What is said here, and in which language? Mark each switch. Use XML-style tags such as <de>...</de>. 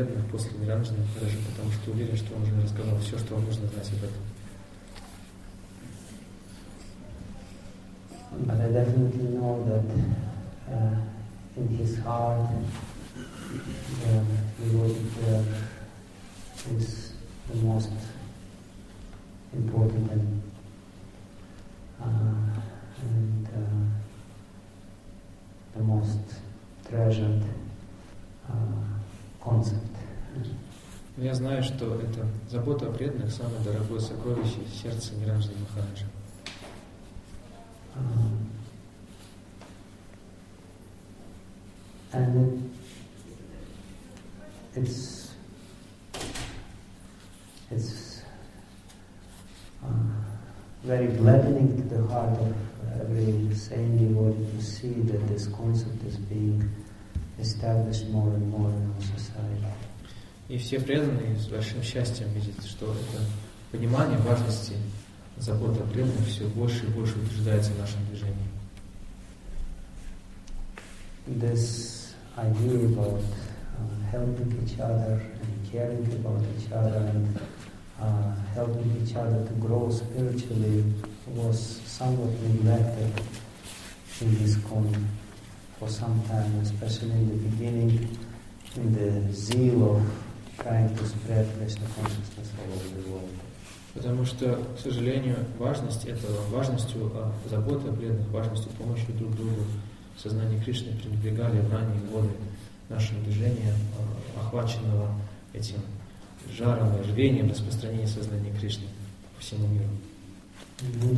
<ru>После Ниранджана хорошо, потому что уверен, что он уже рассказал все, что вам нужно знать об этом.</ru> <en>But I definitely know that in his heart the devotee is the most important and the most treasured concept.</en> <ru>Но я знаю, что это забота о преданных – самое дорогое сокровище сердца Ниранджана Махараджа.</ru> <en>And it's very gladdening to the heart of every saint devotee to see that this concept is being established more and more in our society.</en> <ru>И все преданные с большим счастьем видят, что это понимание важности забота о преданных все больше и больше утверждается в нашем движении.</ru> <en>This idea about helping each other and caring about each other and helping each other to grow spiritually was somewhat neglected in this con for some time, especially in the beginning, in the zeal of trying to spread Krishna consciousness all over the world.</en> <ru>Потому что, к сожалению, важность этого, важностью заботы о преданных, важностью помощи друг другу, сознание Кришны пренебрегали в ранние годы нашего движения, охваченного этим жаром и рвением распространения сознания Кришны по всему миру.</ru>